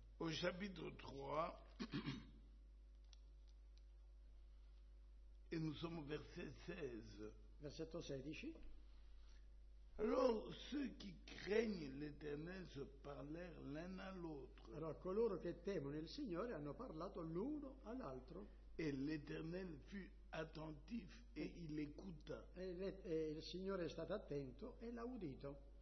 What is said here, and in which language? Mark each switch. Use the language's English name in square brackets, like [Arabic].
[French] Au chapitre 3, et nous sommes au verset 16. [Italian] Versetto 16. [French] Alors ceux qui craignent l'Éternel se parlèrent l'un à l'autre. Alors [Italian] coloro che temono il Signore hanno parlato l'uno all'altro. [French] Et l'Éternel fut attentif et il écouta. Et [Italian] il Signore è stato attento e l'ha udito.